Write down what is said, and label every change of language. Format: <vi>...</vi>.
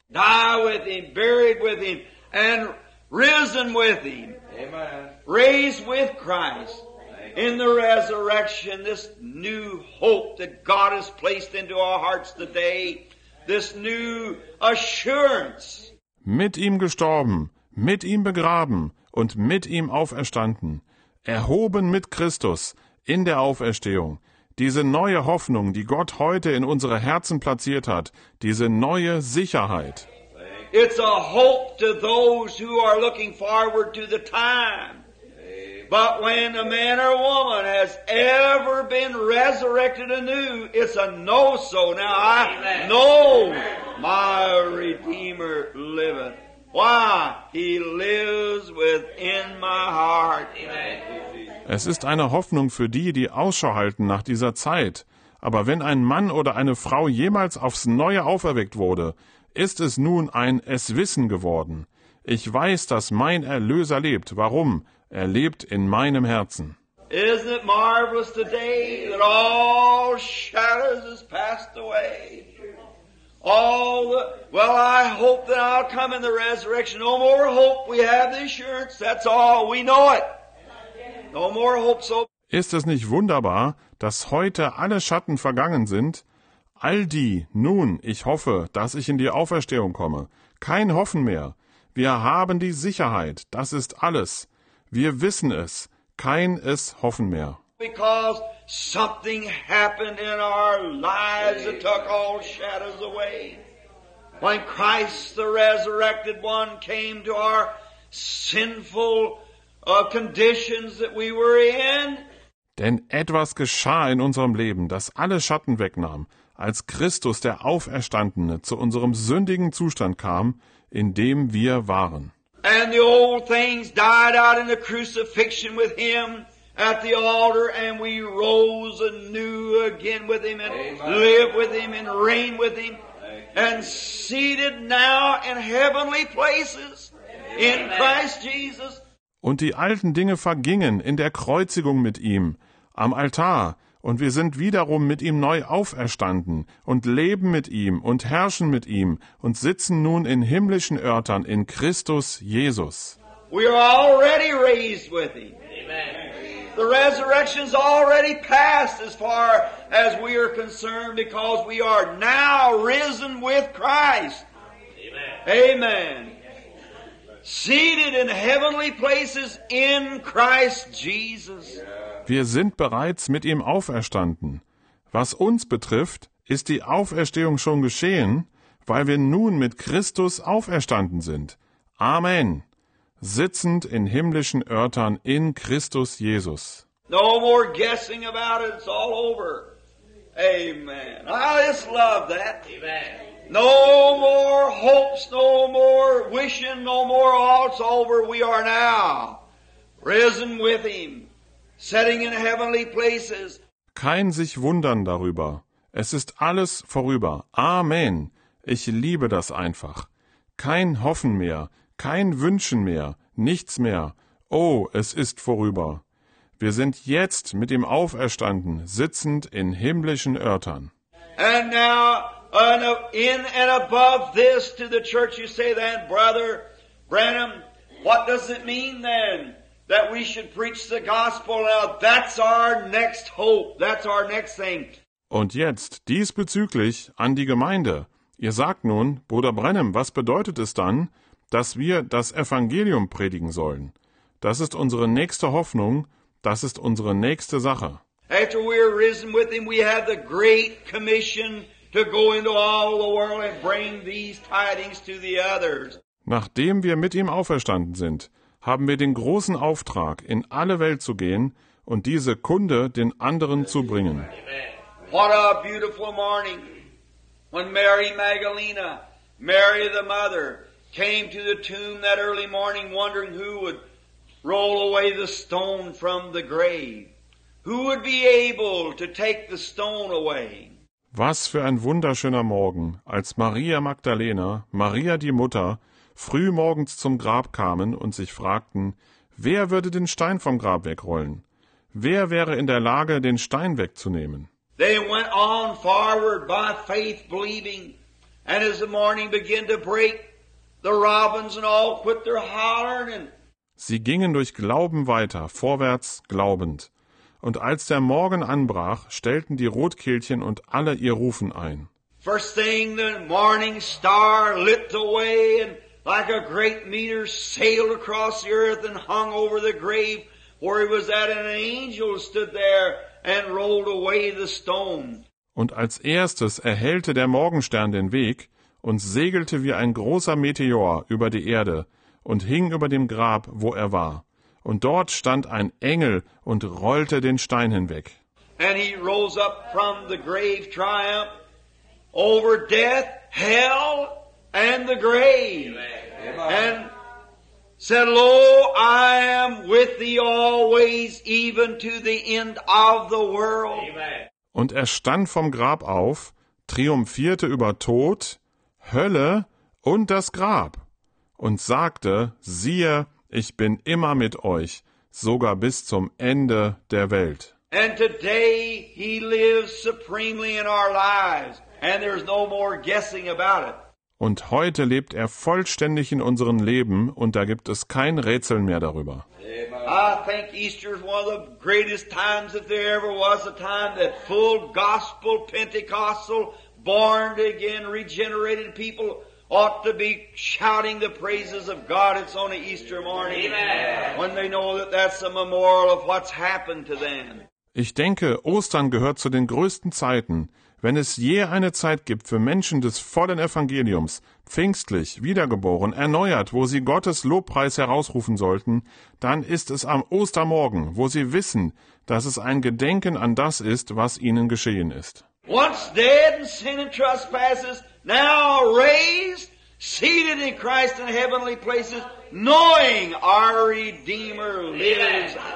<en>Die with him, buried with him and risen with him. Amen. Raised with Christ. In the resurrection, this new hope that God has placed into our hearts today, this new assurance.</en> <de>Mit ihm gestorben, mit ihm begraben und mit ihm auferstanden, erhoben mit Christus in der Auferstehung, diese neue Hoffnung, die Gott heute in unsere Herzen platziert hat, diese neue Sicherheit.</de> <en>It's a hope to those who are looking forward to the time. But when a man or woman has ever been resurrected anew, it's a no-so. Now I know my Redeemer liveth. Why? He lives within my heart.</en> <de>Es ist eine Hoffnung für die, die Ausschau halten nach dieser Zeit. Aber wenn ein Mann oder eine Frau jemals aufs Neue auferweckt wurde, ist es nun ein Es-Wissen geworden. Ich weiß, dass mein Erlöser lebt. Warum? Er lebt in meinem Herzen.</de> <en>Isn't it marvelous today that all shadows has passed away? I hope that I'll come in the resurrection. No more hope. We have the assurance. That's all. We know it. No more hope. So.</en> <de>Ist es nicht wunderbar, dass heute alle Schatten vergangen sind? All die, nun, ich hoffe, dass ich in die Auferstehung komme. Kein Hoffen mehr. Wir haben die Sicherheit. Das ist alles. Wir wissen es, kein es hoffen mehr.</de> <en>Because something happened in our lives that took all shadows away. When Christ the resurrected one came to our sinful conditions that we were in.</en> <de>Denn etwas geschah in unserem Leben, das alle Schatten wegnahm, als Christus der Auferstandene zu unserem sündigen Zustand kam, in dem wir waren.</de> <en>And the old things died out in the crucifixion with him at the altar, and we rose anew again with him and live with him and reign with him and seated now in heavenly places in Christ Jesus.</en> <de>Und die alten Dinge vergingen in der Kreuzigung mit ihm am Altar, und wir sind wiederum mit ihm neu auferstanden und leben mit ihm und herrschen mit ihm und sitzen nun in himmlischen Örtern in Christus Jesus.</de> <en>We are already raised with him. The resurrection's already passed as far as we are concerned, because we are now risen with Christ. Amen. Seated in heavenly places in Christ Jesus.</en> <de>Wir sind bereits mit ihm auferstanden. Was uns betrifft, ist die Auferstehung schon geschehen, weil wir nun mit Christus auferstanden sind. Amen. Sitzend in himmlischen Örtern in Christus Jesus.</de> <en>No more guessing about it, it's all over. Amen. I just love that. Amen. No more hopes, no more wishing, no more all, it's over. We are now risen with him. Setting in heavenly places.</en> <de>Kein sich wundern darüber. Es ist alles vorüber. Amen. Ich liebe das einfach. Kein Hoffen mehr, kein Wünschen mehr, nichts mehr. Oh, es ist vorüber. Wir sind jetzt mit ihm auferstanden, sitzend in himmlischen Örtern.</de> <en>And now, in and above this, to the church you say then, Brother Branham, what does it mean then that we should preach the gospel now? That's our next hope. That's our next thing.</en> <de>Und jetzt diesbezüglich an die Gemeinde. Ihr sagt nun, Bruder Branham, was bedeutet es dann, dass wir das Evangelium predigen sollen? Das ist unsere nächste Hoffnung, das ist unsere nächste Sache.</de> <en>After we are risen with him, we have the great commission to go into all the world and bring these tidings to the others.</en> <de>Nachdem wir mit ihm auferstanden sind, haben wir den großen Auftrag, in alle Welt zu gehen und diese Kunde den anderen zu bringen.</de> <en>What a beautiful morning when Mary Magdalena, Mary the mother, came to the tomb that early morning wondering who would roll away the stone from the grave. Who would be able to take the stone away?</en> <de>Was für ein wunderschöner Morgen, als Maria Magdalena, Maria die Mutter, früh morgens zum Grab kamen und sich fragten, wer würde den Stein vom Grab wegrollen? Wer wäre in der Lage, den Stein wegzunehmen?</de> <en>They went on forward by faith, believing, and as the morning began to break, the robins and all quit their hollering.</en> <de>Sie gingen durch Glauben weiter, vorwärts glaubend. Und als der Morgen anbrach, stellten die Rotkehlchen und alle ihr Rufen ein.</de> <en>First thing the morning star lit the way and like a great meteor sailed across the earth and hung over the grave where he was at, and an angel stood there and rolled away the stone.</en> <de>Und als erstes erhellte der Morgenstern den Weg und segelte wie ein großer Meteor über die Erde und hing über dem Grab, wo er war. Und dort stand ein Engel und rollte den Stein hinweg.</de> <en>And he rose up from the grave triumph over death, hell and the grave. And said, Lo, I am with thee always, even to the end of the world.</en> <de>Und er stand vom Grab auf, triumphierte über Tod, Hölle und das Grab und sagte, siehe, ich bin immer mit euch, sogar bis zum Ende der Welt.</de> <en>And today he lives supremely in our lives, and there's no more guessing about it.</en> <de>Und heute lebt er vollständig in unseren Leben, und da gibt es kein Rätseln mehr darüber.</de> <en>I think Easter is one of the greatest times that there ever was a time that full gospel Pentecostal born again regenerated people ought to be shouting the praises of God. It's on an Easter morning. Amen. When they know that that's a memorial of what's happened to them.</en> <de>Ich denke, Ostern gehört zu den größten Zeiten. Wenn es je eine Zeit gibt für Menschen des vollen Evangeliums, pfingstlich, wiedergeboren, erneuert, wo sie Gottes Lobpreis herausrufen sollten, dann ist es am Ostermorgen, wo sie wissen, dass es ein Gedenken an das ist, was ihnen geschehen ist.</de> <en>Once dead in sin and trespasses, now raised, seated in Christ in heavenly places, knowing our Redeemer lives.</en>